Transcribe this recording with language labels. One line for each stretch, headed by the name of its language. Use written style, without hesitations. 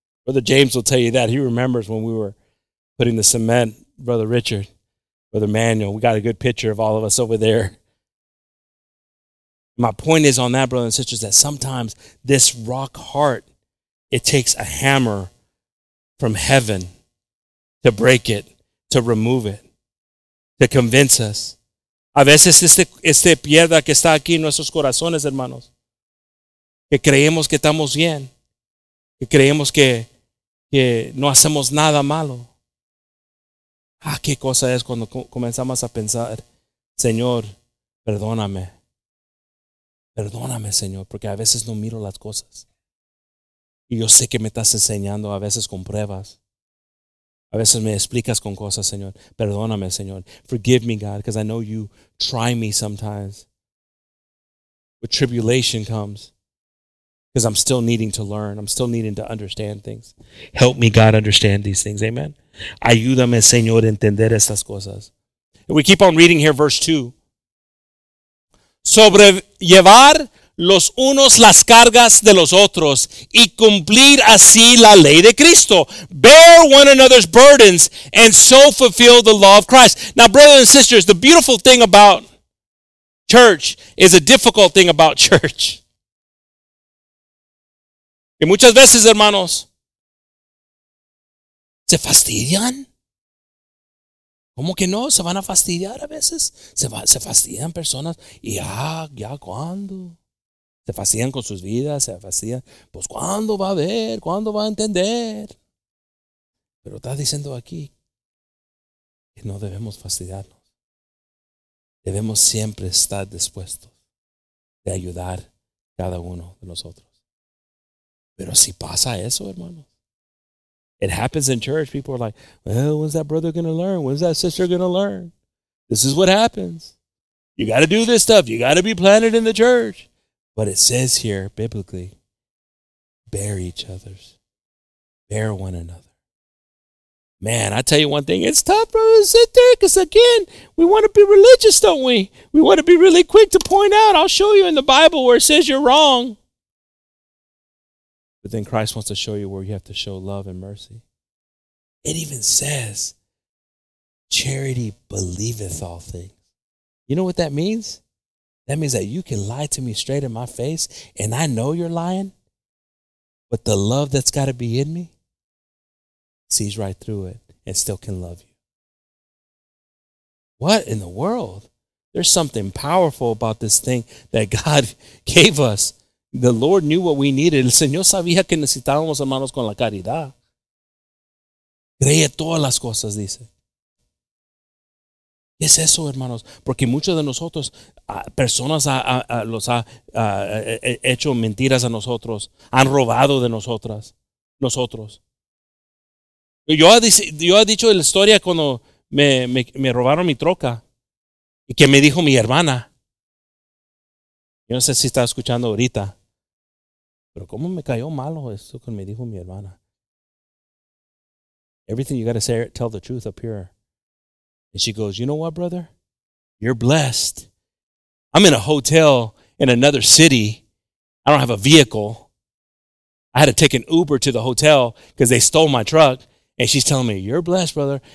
English: Brother James will tell you that. He remembers when we were putting the cement, Brother Richard, Brother Manuel. We got a good picture of all of us over there. My point is on that, brothers and sisters, that sometimes this rock heart, it takes a hammer from heaven to break it, to remove it, to convince us.
Spanish: A veces este piedra que está aquí en nuestros corazones, hermanos, que creemos que estamos bien, que creemos que no hacemos nada malo, Ah, qué cosa es cuando comenzamos a pensar, Señor, perdóname. Perdóname, Señor, porque a veces no miro las cosas. Y yo sé que me estás enseñando a veces con pruebas. A veces me explicas con cosas, Señor. Perdóname, Señor.
English: Forgive me, God, because I know you try me sometimes. But tribulation comes. Because I'm still needing to learn. I'm still needing to understand things. Help me, God, understand these things. Amen.
Spanish: Ayúdame, Señor, a entender estas cosas.
English: And we keep on reading here, verse 2.
Spanish: Sobrellevar los unos las cargas de los otros y cumplir así la ley de Cristo.
English: Bear one another's burdens and so fulfill the law of Christ. Now, brothers and sisters, the beautiful thing about church is a difficult thing about church.
Spanish: Y muchas veces, hermanos, ¿se fastidian? ¿Cómo que no? ¿Se van a fastidiar a veces? ¿Se fastidian personas? ¿Y ya cuándo? ¿Se fastidian con sus vidas? ¿Se fastidian? Pues, ¿cuándo va a ver? ¿Cuándo va a entender? Pero está diciendo aquí que no debemos fastidiarnos. Debemos siempre estar dispuestos de ayudar cada uno de nosotros. Pero si pasa eso, hermano.
English: It happens in church. People are like, well, when's that brother going to learn? When's that sister going to learn? This is what happens. You got to do this stuff. You got to be planted in the church. But it says here, biblically, bear each other's. Bear one another. Man, I tell you one thing. It's tough, brother, to sit there. Because again, we want to be religious, don't we? We want to be really quick to point out. I'll show you in the Bible where it says you're wrong. But then Christ wants to show you where you have to show love and mercy. It even says, charity believeth all things. You know what that means? That means that you can lie to me straight in my face, and I know you're lying, but the love that's got to be in me sees right through it and still can love you. What in the world? There's something powerful about this thing that God gave us. The Lord knew what we needed.
Spanish: El Señor sabía que necesitábamos, hermanos, con la caridad. Cree todas las cosas, dice. ¿Qué es eso, hermanos? Porque muchos de nosotros, personas los ha hecho mentiras a nosotros. Han robado de nosotras. Nosotros. Yo he dicho la historia cuando me robaron mi troca. Y que me dijo mi hermana. Yo no sé si está escuchando ahorita. Pero cómo me cayó malo esto que me dijo mi hermana.
English: Everything you got to say, tell the truth up here. And she goes, you know what, brother? You're blessed. I'm in a hotel in another city. I don't have a vehicle. I had to take an Uber to the hotel because they stole my truck. And she's telling me, you're blessed, brother.